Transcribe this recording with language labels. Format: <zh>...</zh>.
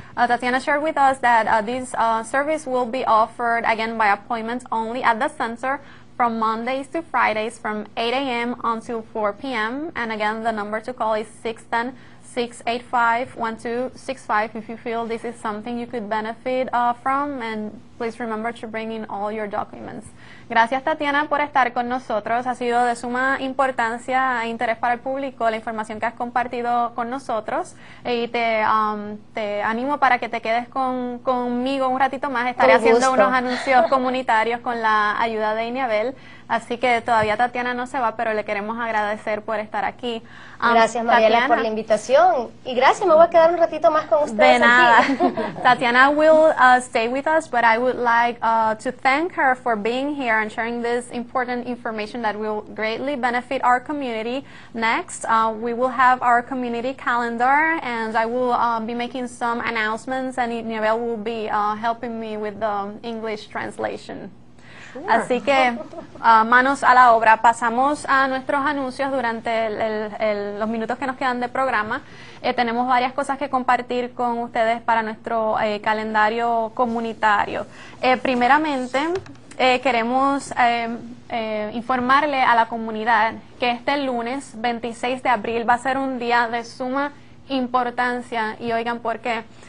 <en>Tatiana shared with us that this service will be offered, again, by appointment only at the center from Mondays to Fridays from 8 a.m. until 4 p.m. And again, the number to call is 610-685-1265 if you feel this is something you could benefit from. And please remember to bring in all your documents.</en> <es>Gracias, Tatiana, por estar con nosotros. Ha sido de suma importancia e interés para el público la información que has compartido con nosotros. Y te animo para que te quedes conmigo un ratito más. Estaré haciendo unos anuncios comunitarios con la ayuda de Iniabel. Así que todavía Tatiana no se va, pero le queremos agradecer por estar aquí. Gracias, Mariela, Tatiana, por la invitación. Y gracias, me voy a quedar un ratito más con ustedes. De nada. Aquí.</es> <en>Tatiana will stay with us, but I would like to thank her for being here and sharing this important information that will greatly benefit our community. Next, we will have our community calendar, and I will be making some announcements, and Iniabel will be helping me with the English translation.</en> <es>Así que, manos a la obra. Pasamos a nuestros anuncios durante los minutos que nos quedan de programa. Tenemos varias cosas que compartir con ustedes para nuestro calendario comunitario. Primeramente, queremos informarle a la comunidad que este lunes 26 de abril va a ser un día de suma importancia. Y oigan por qué.</es>